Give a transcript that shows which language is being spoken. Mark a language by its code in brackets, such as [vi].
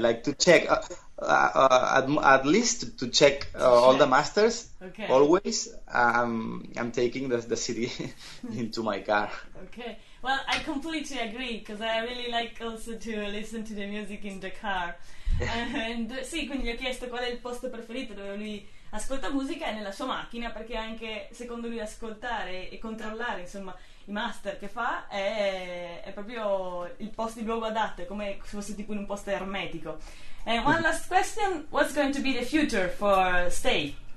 [en] like to check, at least to check To all the check. masters. Okay. Always, I'm taking the CD into my car. Okay. Well, I completely agree because I really like also to listen to the music in the car. [it] And sì, quindi gli ho chiesto qual è il posto preferito dove lui ascolta musica e nella sua macchina, perché anche secondo lui ascoltare e controllare, insomma, i master che fa è proprio il posto, il luogo adatto, è come se fosse tipo in un posto ermetico. [en] And one last question, what's going to be the future for Stay?